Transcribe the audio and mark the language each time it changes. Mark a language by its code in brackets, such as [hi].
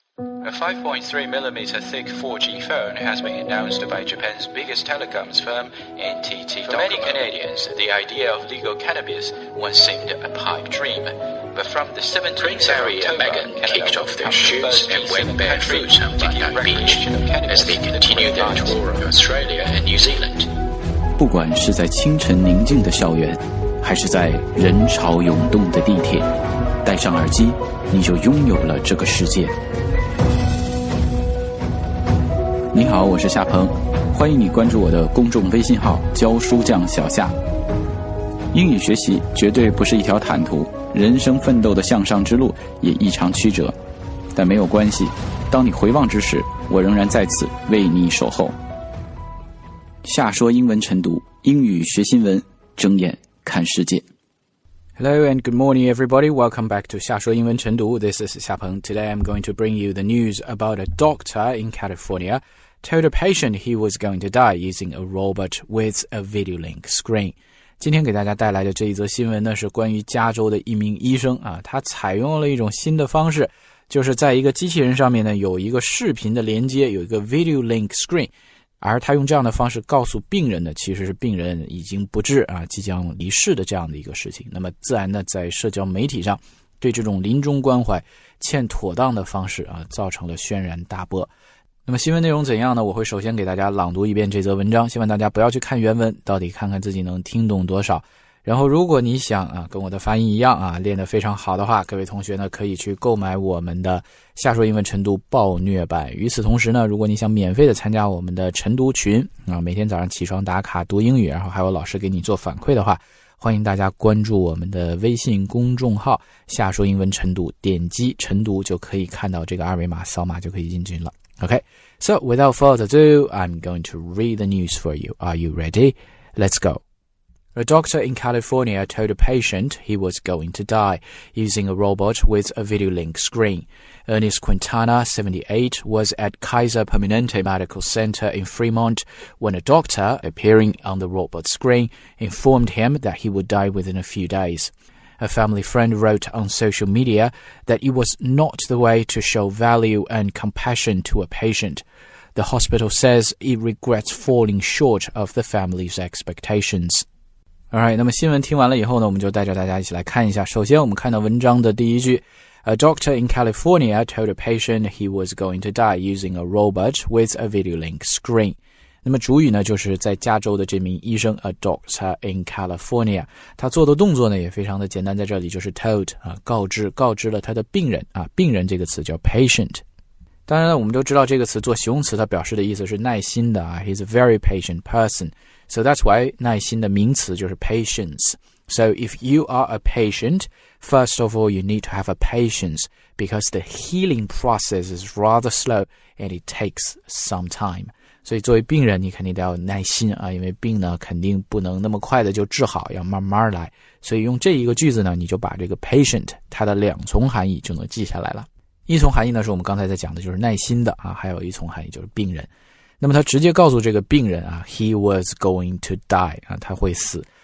[en] A 5.3mm thick 4G phone has been announced by Japan's biggest telecoms firm, NTT Docomo. For many Canadians, the idea of legal cannabis once seemed a pipe dream. But from the 17th of October, Megan kicked off their shoes and went barefoot on Bondi Beach as they continued their tour of Australia and New Zealand. [zh] 不管是在清晨宁静的校园，还是在人潮涌动的地铁，戴上耳机，你就拥有了这个世界。你好，我是夏鹏，欢迎你关注我的公众微信号教书匠小夏。英语学习绝对不是一条坦途，人生奋斗的向上之路也异常曲折，但没有关系，当你回望之时，我仍然在此为你守候。夏说英文晨读，英语学新闻，睁眼看世界。 [en] Hello and good morning, everybody. Welcome back to 夏说英文晨读. This is 夏鹏. Today, I'm going to bring you the news about a doctor in California told a patient he was going to die using a robot with a video link screen. [zh] 今天给大家带来的这一则新闻呢，是关于加州的一名医生啊，他采用了一种新的方式，就是在一个机器人上面呢，有一个视频的连接，有一个 video link screen。而他用这样的方式告诉病人的其实是病人已经不治啊，即将离世的这样的一个事情。那么自然呢，在社交媒体上对这种临终关怀欠妥当的方式啊，造成了轩然大波。那么新闻内容怎样呢？我会首先给大家朗读一遍这则文章，希望大家不要去看原文，到底看看自己能听懂多少。然后如果你想啊，跟我的发音一样啊，练得非常好的话，各位同学呢可以去购买我们的夏说英文晨读暴虐版。与此同时呢，如果你想免费的参加我们的晨读群啊，每天早上起床打卡读英语，然后还有老师给你做反馈的话，欢迎大家关注我们的微信公众号夏说英文晨读，点击晨读就可以看到这个二维码，扫码就可以进群了。 [en] OK, So without further ado, I'm going to read the news for you. Are you ready? Let's goA doctor in California told a patient he was going to die using a robot with a video link screen. Ernest Quintana, 78, was at Kaiser Permanente Medical Center in Fremont when a doctor, appearing on the robot screen, informed him that he would die within a few days. A family friend wrote on social media that it was not the way to show value and compassion to a patient. The hospital says it regrets falling short of the family's expectations. [zh] Alright, 那么新闻听完了以后呢，我们就带着大家一起来看一下。首先我们看到文章的第一句， [en] A doctor in California told a patient he was going to die using a robot with a video link screen. [zh] 那么主语呢，就是在加州的这名医生， A doctor in California. 他做的动作呢也非常的简单，在这里就是 told,、啊、告知了他的病人、啊、病人这个词叫 patient。当然了，我们都知道这个词做形容词它表示的意思是耐心的啊， [en] He's a very patient person. So that's why [zh] 耐心的名词就是 [en] patience. So if you are a patient, first of all, you need to have a patience because the healing process is rather slow and it takes some time. [zh] 所以作为病人你肯定得要耐心啊，因为病呢肯定不能那么快的就治好，要慢慢来。所以用这一个句子呢，你就把这个 patient 它的两重含义就能记下来了。一重含义呢，是我们刚才在讲的，就是耐心的啊，还有一重含义就是病人。那么他直接告诉这个病人啊 ， [en] he was going to die [zh] 啊，他会死。